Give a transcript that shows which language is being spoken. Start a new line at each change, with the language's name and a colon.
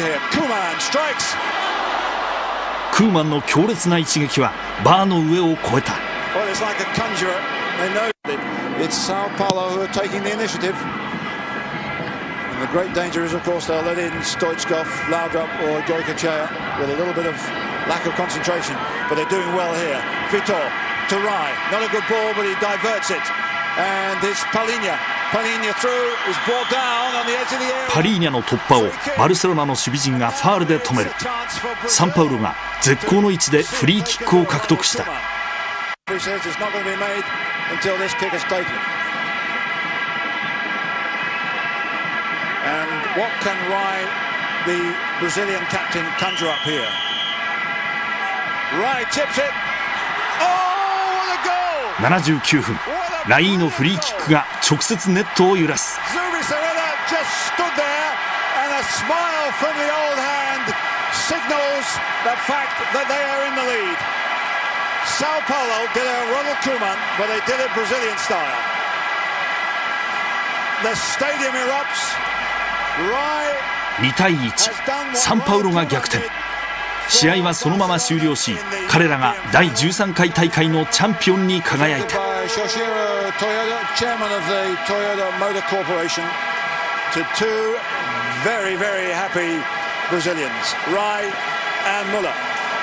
Japanese: クーマンの強烈な一撃はバーの上を越えた。
English: Well, it's like a conjurer. They know it. It's Sao Paulo who are taking the initiative. And the great danger is, of course, they'll let in Stoichkov, Laudrup or Goycochea with a little bit of lack of concentration. But they're doing well here. Vitor to Rai. Not a good ball, but he diverts it. And it's Palinha. Palinha through. He's brought down on the edge of the area.
Japanese: Palinha の突破をバルセロナの守備陣がファールで止める。サンパウロが絶好の位置でフリーキックを獲得した。
English: He says it's not going to be made until this kick is taken. And what can Rai, the Brazilian captain, conjure up here? Rai chips it. Oh, what a goal!
Japanese: 79分、ライーのフリーキックが直接ネットを揺らす。
English: Zubizarreta just stood there, and a smile from the old hand signals the fact that they are in the lead. Sao Paulo did a Ronald Koeman, but they did it Brazilian style. The stadium erupts. Rai
Japanese: 2-1. São Paulo が逆転。試合はそのまま終了し、彼らが第13回大会のチャンピオンに輝いた。
English: Shoshiro Toyota, chairman of the Toyota Motor Corporation, to two very, very happy Brazilians, Rai and Muller.